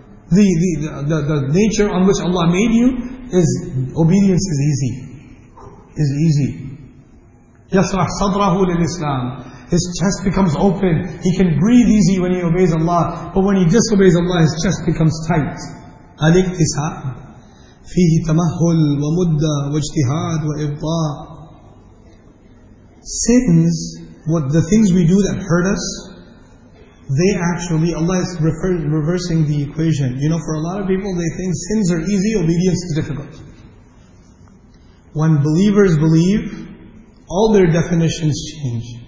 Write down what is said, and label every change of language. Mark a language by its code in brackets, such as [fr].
[en] The nature on which Allah made you is obedience is easy. Is easy. [ar] يشرح صدره للإسلام. [en] His chest becomes open. He can breathe easy when he obeys Allah. But when he disobeys Allah, his chest becomes tight. [ar] الاكتساب فيه تمهل ومدة واجتهاد وإبطاء. [en] Sins, what the things we do that hurt us, they actually, Allah is reversing the equation. You know, for a lot of people, they think sins are easy, obedience is difficult. When believers believe, all their definitions change.